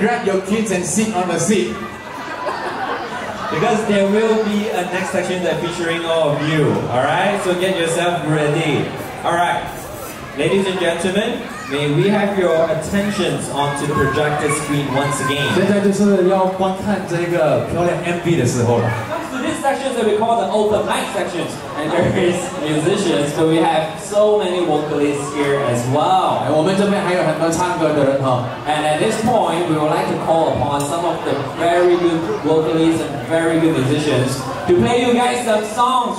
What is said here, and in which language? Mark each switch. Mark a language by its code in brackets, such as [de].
[en] grab your kids and sit on the seat. Because there will be a next section that featuring all of you. Alright? So get yourself ready. Alright. Ladies and gentlemen, may we have your attentions onto the projector screen once again. [zh] 现在就是要观看这个漂亮MV的时候了。 [en] This section that we call the open mic section, and there is musicians, so we have so many vocalists here as well. And at this point, we would like to call upon some of the very good vocalists and very good musicians to play you guys some songs.